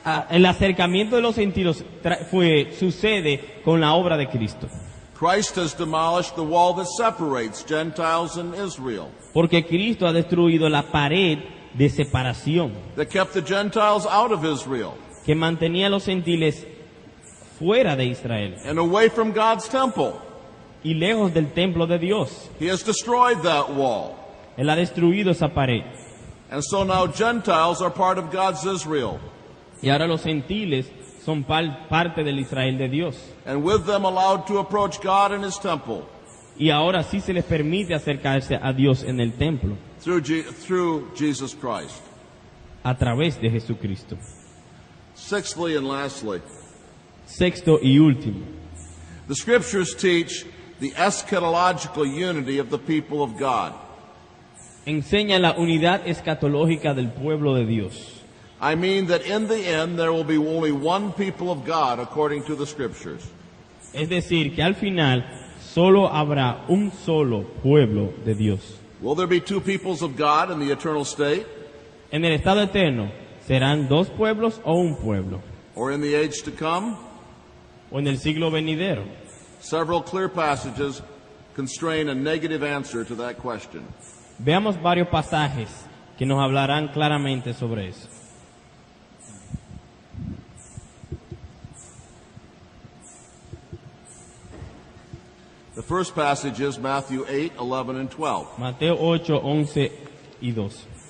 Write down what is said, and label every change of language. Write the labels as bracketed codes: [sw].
[es] El acercamiento de los gentiles sucede con la obra de Cristo. [en] Christ has demolished the wall that separates Gentiles and Israel. [es] Porque Cristo ha destruido la pared de separación. [en] That kept the Gentiles out of Israel. [es] Que mantenía a los gentiles fuera de Israel. [en] And away from God's temple. [es] Y lejos del templo de Dios. [en] He has destroyed that wall. [es] Él ha destruido esa pared. [en] And so now Gentiles are part of God's Israel. [es] Y ahora los gentiles son parte del Israel de Dios. [en] And with them allowed to approach God in his temple. [es] Y ahora sí se les permite acercarse a Dios en el templo. [en] Through Jesus Christ. [es] A través de Jesucristo. [en] Sixthly and lastly. [es] Sexto y último. [en] The scriptures teach the eschatological unity of the people of God. [es] Enseña la unidad escatológica del pueblo de Dios. [en] I mean that in the end there will be only one people of God according to the scriptures. [es] Es decir, que al final solo habrá un solo pueblo de Dios. [en] Will there be two peoples of God in the eternal state? [es] En el estado eterno. ¿Serán dos pueblos o un pueblo? [en] Or in the age to come? [es] ¿O en el siglo venidero? [en] Several clear passages constrain a negative answer to that question. [es] Veamos varios pasajes que nos hablarán claramente sobre eso. [en] The first passage is Matthew 8, 11 and 12. [es] Mateo 8, 11 y 12.